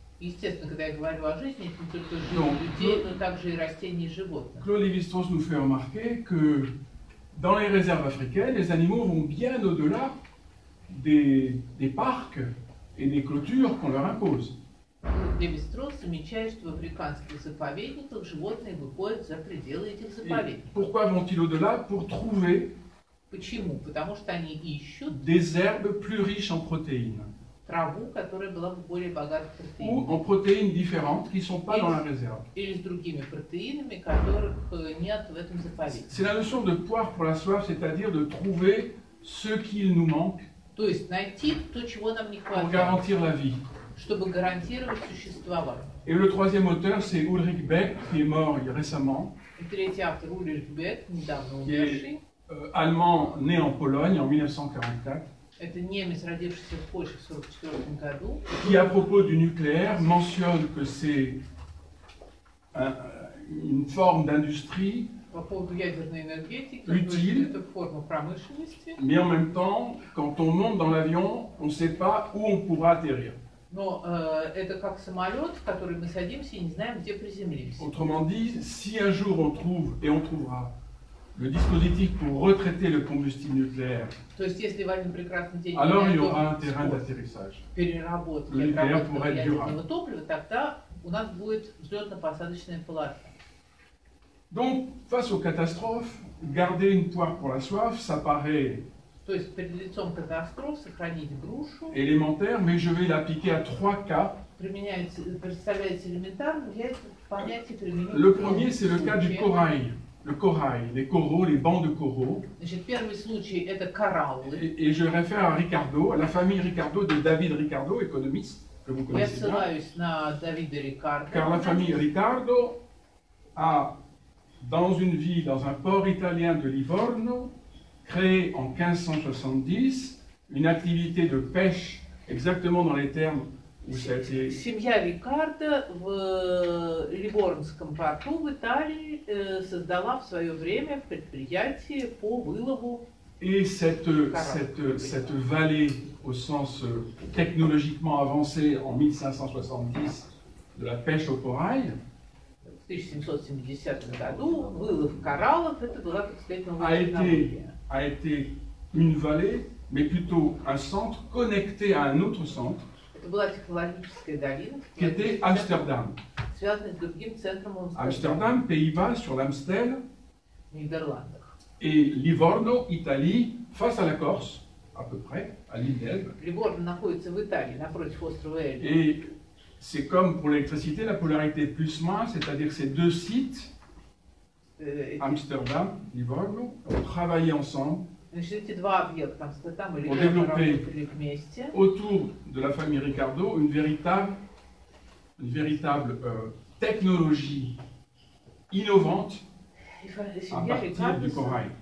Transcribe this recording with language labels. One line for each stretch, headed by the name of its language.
Russian: Естественно, когда я говорю о жизни, это не только жизнь людей, но также и растения и животных.
French: Claude Lévi-Strauss nous fait remarquer que dans les réserves africaines, les animaux vont bien au-delà des parcs et des clôtures qu'on leur impose.
Russian: Lévi-Strauss замечает, что в африканских заповедниках животные выходят за пределы этих заповедников.
French: Pourquoi vont-ils au-delà? Pour trouver
Russian: почему? Потому что они ищут
French: des herbes plus riches en протеинах.
Russian: Траву, которая была бы более богата протеинами.
French: Ou en protéines différentes qui ne sont pas dans la réserve.
Russian: Или с другими протеинами, которых нет в этом заповеднике.
French: C'est la notion de poire pour la soif, c'est-à-dire de trouver ce qu'il nous manque.
Russian: То есть найти то, чего нам не хватает.
French: Pour garantir la vie.
Russian: Чтобы гарантировать существование.
French: Et le troisième auteur, c'est Ulrich Beck, qui est mort récemment.
Russian: И третий автор Ulrich Beck, недавно умерший.
French: Qui est allemand, né en Pologne en 1944.
Russian: Это немец, родившийся в Польше в 44 году.
French: Qui à propos du nucléaire mentionne que c'est une forme d'industrie.
Russian: По поводу ядерной энергетики.
French: Utile.
Russian: Это форма промышленности.
French: Mais en même temps, quand on monte dans l'avion, on ne sait pas où on pourra atterrir.
Russian: Но это как самолет, в который мы садимся и не знаем, где приземлимся.
French: Autrement dit, si un jour on trouve et on trouvera le dispositif pour retraiter le combustible nucléaire,
Russian: то есть если в один прекрасный день
French: alors il y aura un terrain d'atterrissage.
Russian: Переработка ядерного топлива, тогда у нас будет взлетно-посадочная полоса.
French: Donc, face aux catastrophes, garder une poire pour la soif, ça paraît.
Russian: То есть перед лицом катастроф сохранить грушу.
French: Элементарно, mais je vais l'appliquer à trois cas.
Russian: Представляется элементарно, я понятие применю.
French: Le premier, c'est le cas du corail. Le corail, les coraux, les bancs de coraux.
Russian: Значит, первый случай это кораллы.
French: Et je réfère à Ricardo, à la famille Ricardo de David Ricardo, économiste que vous connaissez.
Russian: Я ссылаюсь на Давида Рикардо.
French: Car la famille Ricardo a dans une ville, dans un port italien de Livorno, créé en 1570, une activité de pêche, exactement dans les termes où ça a été.
Russian: Семья Рикардо в Ливорнском порту в Италии создала в свое время предприятие по вылову.
French: Et cette vallée, au sens technologiquement avancé en 1570, de la pêche au corail.
Russian: В 1770 году вылов кораллов это была, так сказать, новая технология.
French: A été une vallée, mais plutôt un centre connecté à un autre centre.
Russian: Это была технологическая долина.
French: Qui était Amsterdam.
Russian: Связанная с другим центром Амстердама.
French: Amsterdam, Pays-Bas, sur l'Amstel.
Russian: В Нидерландах.
French: Et Livorno, Italie, face à la Corse, à peu près, à l'île d'Elbe.
Russian: Ливорно находится в Италии, напротив острова Эльбе.
French: C'est comme pour l'électricité, la polarité plus-moins, c'est-à-dire ces deux sites, Amsterdam, Livorno, ont travaillé ensemble pour développer autour de la famille Ricardo une véritable technologie innovante à partir du corail.